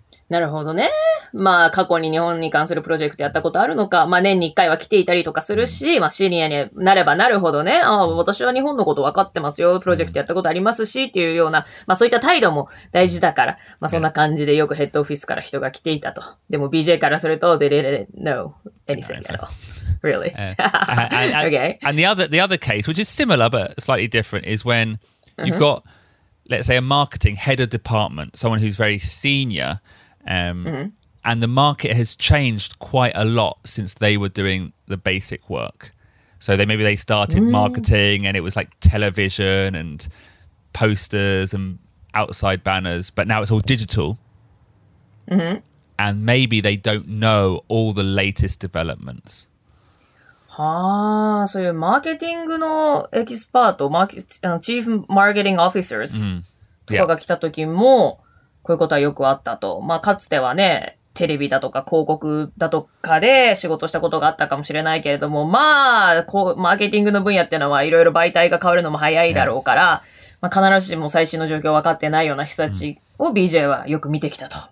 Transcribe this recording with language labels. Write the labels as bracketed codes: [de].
[ja] なるほどね。まあ過去に日本に関するプロジェクトやったことあるのか、まあ年に1回は来ていたりとかするし、まあシニアになればなるほどね、ああ私は日本のこと分かってますよ、プロジェクトやったことありますしっていうような、まあそういった態度も大事だから、まあそんな感じでよくヘッドオフィスから人が来ていたと。でも BJ からすると、 [en] they didn't know anything at all. Really? And the other case, which is similar but slightly different, is when you've got, let's say, a marketing head of department, someone who's very senior, and the market has changed quite a lot since they were doing the basic work. So maybe they started marketing and it was like television and posters and outside banners, but now it's all digital. And maybe they don't know all the latest developments. [ja] はあ、そういうマーケティングのエキスパート、チーフマーケティングオフィサーズとかが来た時も、こういうことはよくあったと。まあ、かつてはね、テレビだとか広告だとかで仕事したことがあったかもしれないけれども、まあ、マーケティングの分野ってのはいろいろ媒体が変わるのも早いだろうから、まあ、必ずしも最新の状況分かってないような人たちを BJ はよく見てきたと。